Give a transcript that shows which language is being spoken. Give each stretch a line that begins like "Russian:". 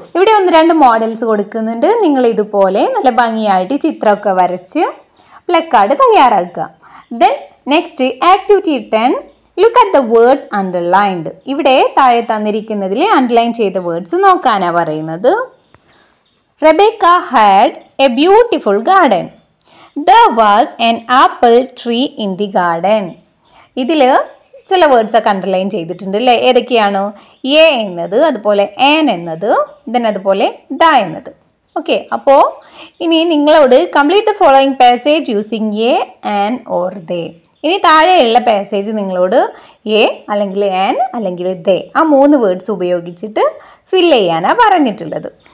Malayalam: ഇവിടെ ഒന്ന് രണ്ട് മോഡൽസ് കൊടുക്കുന്നുണ്ട്. നിങ്ങൾ ഇതുപോലെ നല്ല ഭംഗിയായിട്ട് ചിത്രമൊക്കെ വരച്ച് പ്ലക് കാർഡ് തയ്യാറാക്കുക.
English: Then next activity 10, look at the words underlined.
Malayalam: ഇവിടെ താഴെ തന്നിരിക്കുന്നതിൽ അണ്ടർലൈൻ ചെയ്ത വേർഡ്സ് നോക്കാനാണ് പറയുന്നത്.
English: Rebecca had a beautiful garden. There was an apple tree in the garden.
Malayalam: ഇതില് ചില വേർഡ്സ് ഒക്കെ അണ്ടർലൈൻ ചെയ്തിട്ടുണ്ട് അല്ലേ? ഏതൊക്കെയാണോ, എ എന്നത്, അതുപോലെ ഏൻ എന്നത്, ദെൻ അതുപോലെ ദ എന്നത്.
English: okay,
Malayalam: അപ്പോൾ ഇനി നിങ്ങളോട്
English: Complete the following passage using a an or the.
Malayalam: ഇനി താഴെയുള്ള പാസേജ് നിങ്ങളോട് എ അല്ലെങ്കിൽ ആൻ അല്ലെങ്കിൽ ദേ ആ മൂന്ന് വേർഡ്സ് ഉപയോഗിച്ചിട്ട് ഫിൽ ചെയ്യാനാണ് പറഞ്ഞിട്ടുള്ളത്.